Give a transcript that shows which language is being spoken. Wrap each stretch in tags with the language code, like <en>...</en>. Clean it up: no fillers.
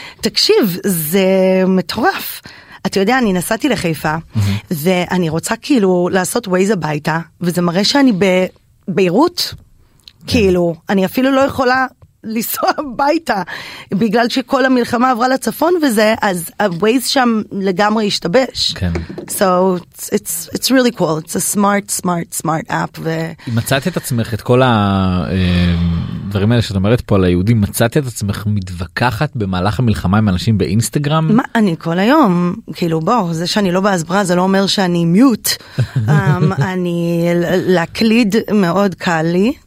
<he>תקשיב, זה מטורף. אתה יודע, אני נסעתי לחיפה, ואני רוצה כאילו לעשות ווייז הביתה, וזה מראה שאני בבירות, כאילו, אני אפילו לא יכולה לנסוע הביתה, בגלל שכל המלחמה עברה לצפון וזה, אז הווייז שם לגמרי השתבש. כן.</he> <en>So, it's really cool. It's a smart, smart, smart app.</en> <he>מצאת את עצמך, את כל הדברים האלה שאת אומרת פה על היהודים, מצאת את עצמך מתווכחת במהלך המלחמה עם אנשים באינסטגרם? מה, אני כל היום, כאילו, בוא, זה שאני לא בהסברה, זה לא אומר שאני מיוט. אני להקליד מאוד קל לי,</he>